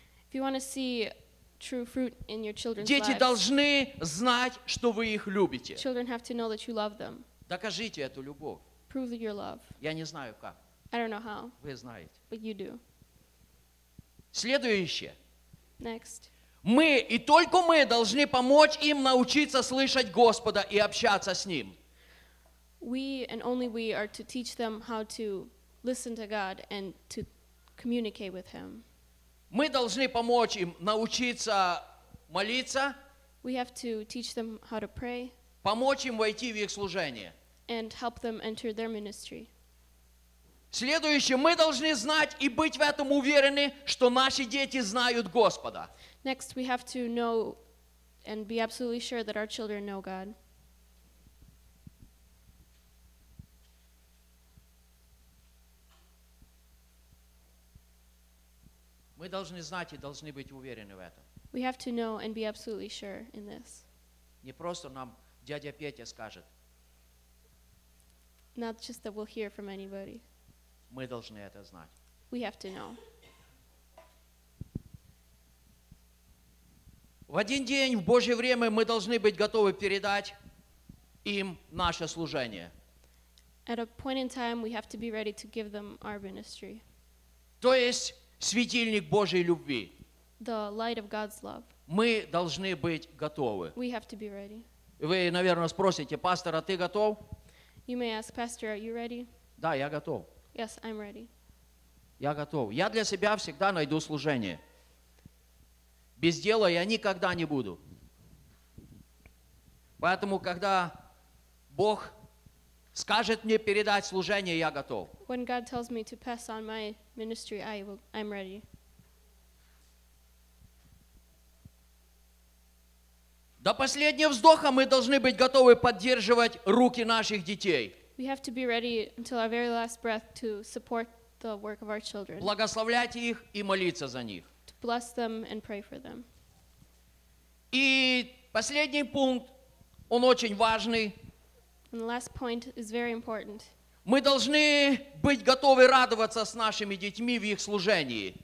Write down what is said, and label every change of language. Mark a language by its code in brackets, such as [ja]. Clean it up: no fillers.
[en] if you want to see true fruit in your children's [ru] дети [en] lives, [ru] должны знать, что вы их любите. [en] Children have to know that you love them. [ru] Докажите эту любовь. [en] Prove your love. [ru] Я не знаю как. [en] I don't know how. [ru] Вы знаете. [en] But you do. [ru] Следующее. [en] Next. [ru] Мы и только мы должны помочь им научиться слышать Господа и общаться с Ним. [en] We and only we are to teach them how to listen to God and to communicate with Him. [ru] Мы должны помочь им научиться молиться. [en] We have to teach them how to pray. [ru] Помочь им войти в их служение. [en] And help them enter their ministry. [ru] Следующее, мы должны знать и быть в этом уверены, что наши дети знают Господа. [en] Next, we have to know and be absolutely sure that our children know God. [ru] Мы должны знать и должны быть уверены в этом. [en] We have to know and be absolutely sure in this. [ru] Не просто нам дядя Петя скажет. [en] Not just that we'll hear from anybody. [ru] Мы должны это знать. [en] We have to know. [ru] В один день, в Божье время, мы должны быть готовы передать им наше служение. [en] At a point in time, we have to be ready to give them our ministry. [ru] То есть, светильник Божьей любви. [en] The light of God's love. [ru] Мы должны быть готовы. [en] We have to be ready. [ru] Вы, наверное, спросите: пастор, а ты готов? [en] You may ask, pastor, are you ready? [ru] Да, я готов. [en] Yes, I'm ready. [ru] Я готов. Я для себя всегда найду служение. Без дела я никогда не буду. Поэтому, когда Бог скажет мне передать служение, я готов. [en] When God tells me to pass on my ministry, I'm ready. [ru] До последнего вздоха мы должны быть готовы поддерживать руки наших детей. [en] We have to be ready until our very last breath to support the work of our children. [ru] Благословлять их и молиться за них. [en] To bless them and pray for them. [ru] И последний пункт, он очень важный. [en] And the last point is very important. [ru] Мы должны быть готовы радоваться с нашими детьми в их служении.